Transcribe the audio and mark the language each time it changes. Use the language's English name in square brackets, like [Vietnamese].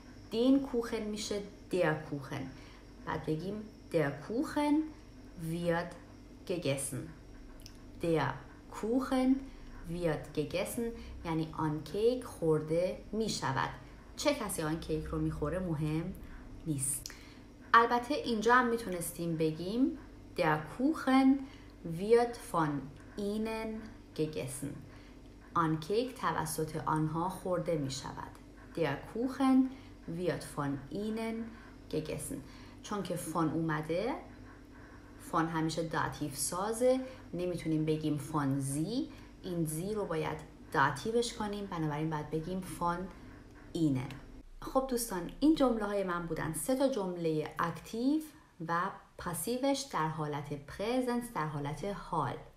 [German] دین کوخن [Persian] میشه [German] در کوخن. [Persian] بعد بگیم [German] در کوخن ویرد گگسن. در کوخن ویرد گگسن [Persian] یعنی آن کیک خورده میشود. چه کسی آن کیک رو میخوره مهم نیست. البته اینجا هم میتونستیم بگیم [German] Der Kuchen wird von ihnen gegessen. [Persian] آن کیک توسط آنها خورده میشود. [German] Der Kuchen wird von ihnen gegessen. [Persian] چون که von اومده، von همیشه داتیف سازه، نمیتونیم بگیم [German] von sie. [Persian] این sie رو باید داتیفش کنیم، بنابراین باید بگیم [German] von ihnen. [Persian] خب دوستان، این جمله های من بودن، سه تا جمله اکتیو و پاسیوش در حالت پرزنس، در حالت حال.